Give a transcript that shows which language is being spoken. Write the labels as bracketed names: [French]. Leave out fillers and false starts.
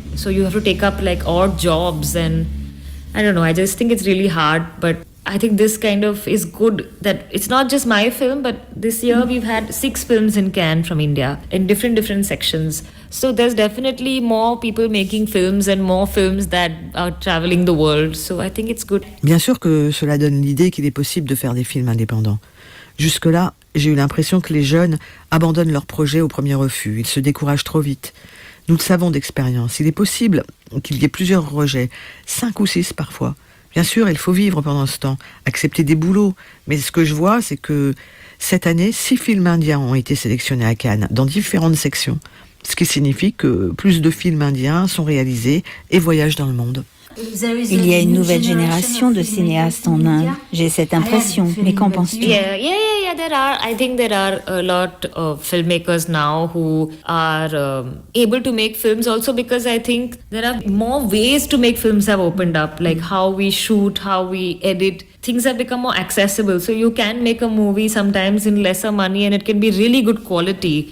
[English] So you have to take up, like, odd jobs, and I don't know, I just think it's really hard, but I think this kind of is good that it's not just my film, but this year we've had 6 films in Cannes from India in different sections. So there's definitely more people making films and more films that are traveling the world. So I think it's good. [French] Bien sûr que cela donne l'idée qu'il est possible de faire des films indépendants. Jusque-là, j'ai eu l'impression que les jeunes abandonnent leurs projets au premier refus. Ils se découragent trop vite. Nous le savons d'expérience. Il est possible qu'il y ait plusieurs rejets, 5 ou 6 parfois. Bien sûr, il faut vivre pendant ce temps, accepter des boulots. Mais ce que je vois, c'est que cette année, 6 films indiens ont été sélectionnés à Cannes, dans différentes sections. Ce qui signifie que plus de films indiens sont réalisés et voyagent dans le monde. Il y a une nouvelle génération de cinéastes en Inde. J'ai cette impression. Mais qu'en penses-tu? [English] Yeah. There are. I think there are a lot of filmmakers now who are able to make films. Also, because I think there are more ways to make films have opened up. Like how we shoot, how we edit. Things have become more accessible. So you can make a movie sometimes in lesser money, and it can be really good quality.